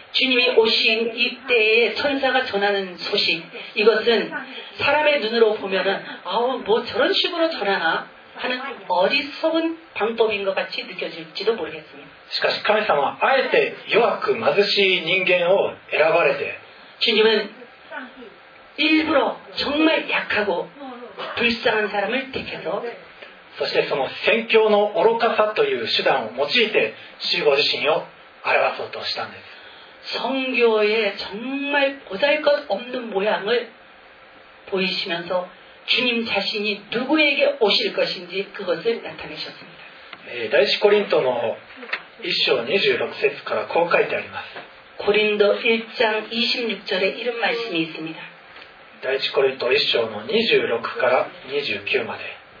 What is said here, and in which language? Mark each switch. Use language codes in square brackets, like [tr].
[ko] 주님이 오신 이 때에 천사가 전하는 소식 이것은 사람의 눈으로 보면은 아우 뭐 저런 식으로 전하나 하는 어리석은 방법인 것 같이 느껴질지도 모르겠습니다. [ja] しかし神様はあえて弱く貧しい人間を選ばれて [ko] 주님은 일부러 정말 약하고 불쌍한 사람을 택해서 [ja] そしてその宣教の愚かさという手段を用いて主ご自身を表そうとしたんです. [ko] 성교의 정말 보잘것 없는 모양을 보이시면서 주님 자신이 누구에게 오실 것인지 그것을 나타내셨습니다. [ja] 第一コリントの 1章26節からこう書いてあります. [ko] 고린도 1장 26절에 이런 말씀이 있습니다. [ja] 第一コリント 1章の26から29まで.